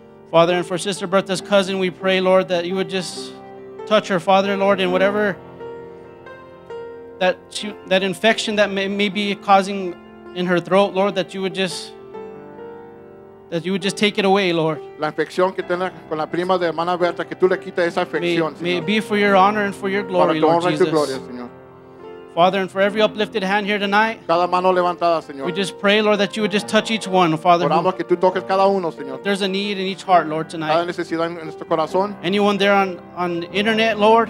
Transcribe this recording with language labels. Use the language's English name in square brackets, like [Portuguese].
[English] Father, and for Sister Bertha's cousin, we pray, Lord, that you would just touch her, Father, Lord, and whatever that infection that may be causing in her throat, Lord, that you would just take it away, Lord. [Spanish] La infección que tiene con la prima de hermana Berta, que tú le quites esa infección, [English] may, [Spanish] Señor. [English] May it be for your honor and for your glory, [Spanish] para tu [English] Lord Jesus. [Spanish] Tu gloria, Señor. [English] Father, and for every uplifted hand here tonight, [Spanish] cada mano levantada, Señor. [English] We just pray, Lord, that you would just touch each one, Father. [Spanish] Oramos que tú toques cada uno, Señor. [English] There's a need in each heart, Lord, tonight. [Spanish] Cada necesidad en nuestro corazón. [English] Anyone there on the internet, Lord,